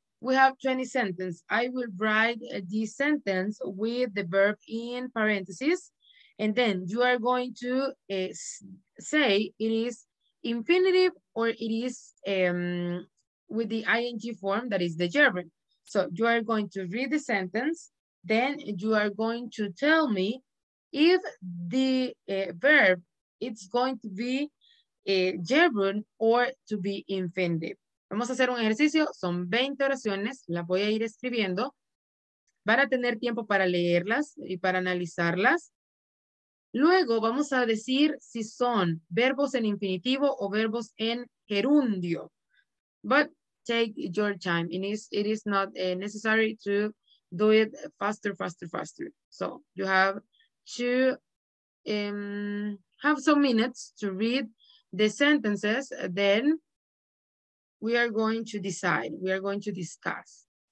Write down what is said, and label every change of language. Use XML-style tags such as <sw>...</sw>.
<en>We have 20 sentences. I will write the sentence with the verb in parentheses, and then you are going to say it is infinitive or it is with the ing form, that is the gerund. So you are going to read the sentence, then you are going to tell me if the verb it's going to be a gerund or to be infinitive.</en> <es>Vamos a hacer un ejercicio, son 20 oraciones, las voy a ir escribiendo. Van a tener tiempo para leerlas y para analizarlas. Luego vamos a decir si son verbos en infinitivo o verbos en gerundio.</es> <en>But take your time, it is not necessary to do it faster. So you have to have some minutes to read the sentences, then we are going to decide, we are going to discuss.</en>